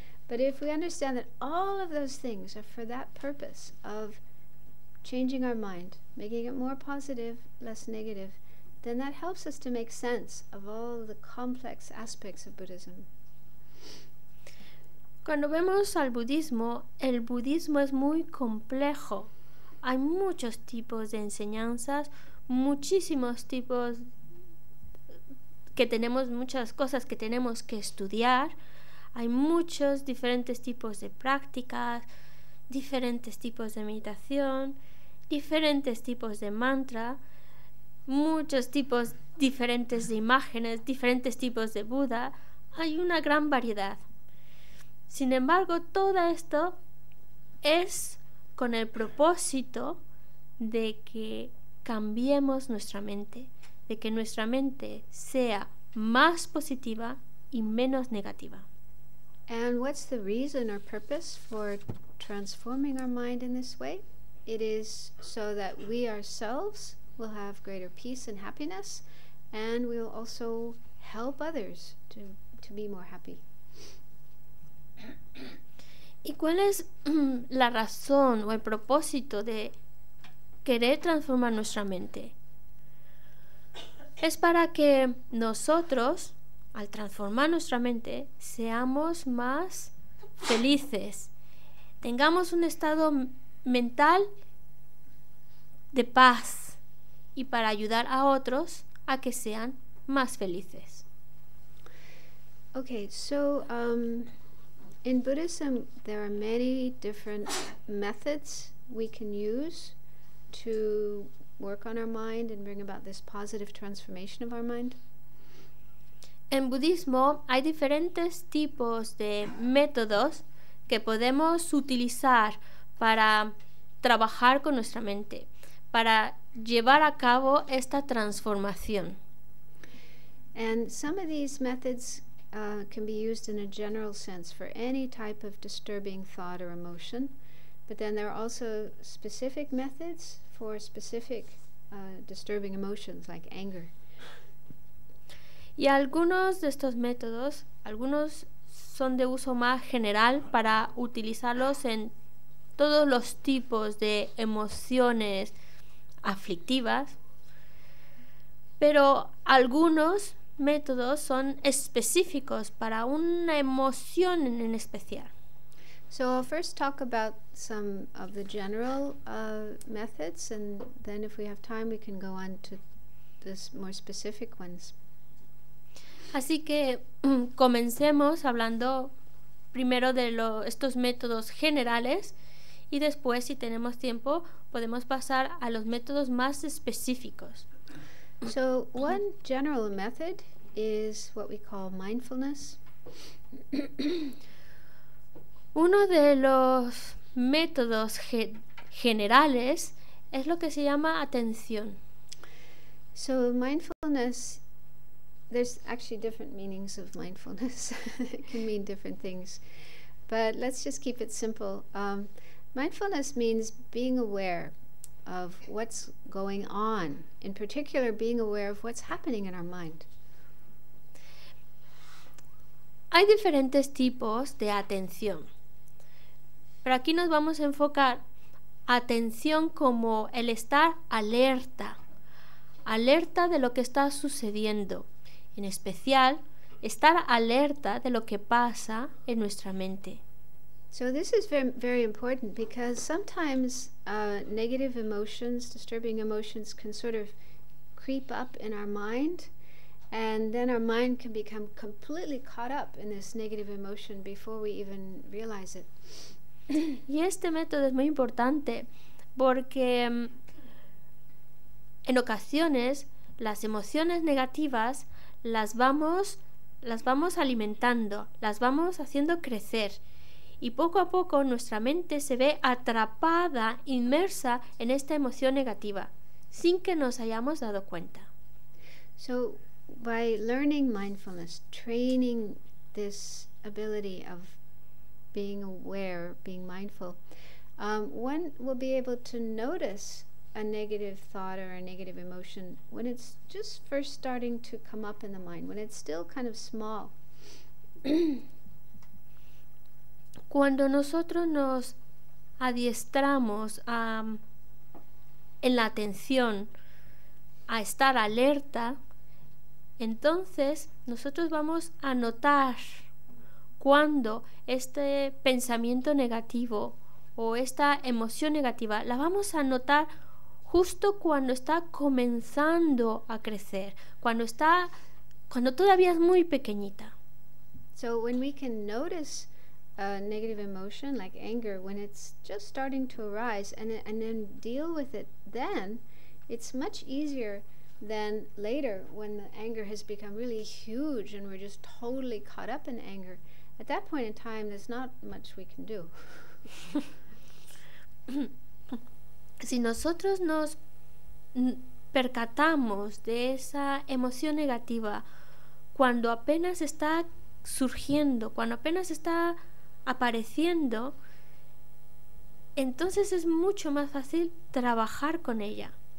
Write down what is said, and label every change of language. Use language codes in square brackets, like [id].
[en] But if we understand that all of those things are for that purpose of changing our mind, making it more positive, less negative, then that helps us to make sense of all the complex aspects of Buddhism. [es] Cuando vemos al budismo, el budismo es muy complejo. Hay muchos tipos de enseñanzas, muchísimos tipos que tenemos, muchas cosas que tenemos que estudiar. Hay muchos diferentes tipos de prácticas, diferentes tipos de meditación, diferentes tipos de mantra, muchos tipos diferentes de imágenes, diferentes tipos de Buda. Hay una gran variedad. Sin embargo, todo esto es con el propósito de que cambiemos nuestra mente, de que nuestra mente sea más positiva y menos negativa. [en] And what's the reason or purpose for transforming our mind in this way? It is so that we ourselves will have greater peace and happiness, and we will also help others to be more happy. [es] ¿Y cuál es la razón o el propósito de querer transformar nuestra mente? Es para que nosotros, al transformar nuestra mente, seamos más felices, tengamos un estado mental de paz, y para ayudar a otros a que sean más felices. [en] Okay, so in Buddhism there are many different methods we can use to work on our mind and bring about this positive transformation of our mind. [es] En budismo hay diferentes tipos de métodos que podemos utilizar para trabajar con nuestra mente, para llevar a cabo esta transformación. [en] And some of these methods can be used in a general sense for any type of disturbing thought or emotion, but then there are also specific methods for specific disturbing emotions like anger. [es] Y algunos de estos métodos, algunos son de uso más general para utilizarlos en todos los tipos de emociones aflictivas, pero algunos métodos son específicos para una emoción en especial. [en] So I'll first talk about some of the general methods, and then if we have time we can go on to the more specific ones. [es] Así que comencemos hablando primero de estos métodos generales, y después, si tenemos tiempo, podemos pasar a los métodos más específicos. [en] So one general method is what we call mindfulness. [es] Uno de los métodos generales es lo que se llama atención. [en] So mindfulness, there's actually different meanings of mindfulness. It can mean different things. But let's just keep it simple. Mindfulness means being aware of what's going on, in particular being aware of what's happening in our mind. [es] Hay diferentes tipos de atención, pero aquí nos vamos a enfocar atención como el estar alerta, alerta de lo que está sucediendo, en especial estar alerta de lo que pasa en nuestra mente. [en] So this is very, very important, because sometimes negative emotions, disturbing emotions, can sort of creep up in our mind, and then our mind can become completely caught up in this negative emotion before we even realize it. [es] Y este método es muy importante porque en ocasiones las emociones negativas las vamos alimentando, las vamos haciendo crecer. Y poco a poco nuestra mente se ve atrapada, inmersa en esta emoción negativa, sin que nos hayamos dado cuenta. [en] So by learning mindfulness, training this ability of being aware, being mindful, one will be able to notice a negative thought or a negative emotion when it's just first starting to come up in the mind, when it's still kind of small. [es] Cuando nosotros nos adiestramos en la atención, a estar alerta, entonces nosotros vamos a notar cuando este pensamiento negativo o esta emoción negativa la vamos a notar justo cuando está comenzando a crecer, cuando todavía es muy pequeñita. [en] So when we can notice a negative emotion like anger when it's just starting to arise and then deal with it, then it's much easier than later when the anger has become really huge and we're just totally caught up in anger. At that point in time, there's not much we can do. [es] Si nosotros nos percatamos de esa emoción negativa cuando apenas está surgiendo, cuando apenas está apareciendo, entonces es mucho más fácil trabajar con ella.